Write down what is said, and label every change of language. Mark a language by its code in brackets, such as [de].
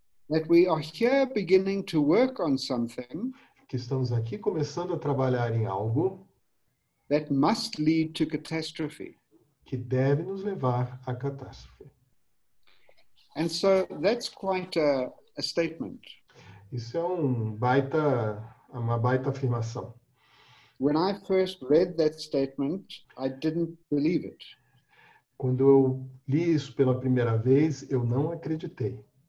[en] That we are here beginning to work on something. [pt] Que estamos aqui começando a trabalhar em algo. [en] That must lead to catastrophe. [pt] Que deve nos levar à catástrofe. [en] And so that's quite a statement. [pt] Isso é uma baita afirmação. [en] When I first read that statement, I didn't believe it. [pt] Quando eu li isso pela primeira vez, eu não acreditei.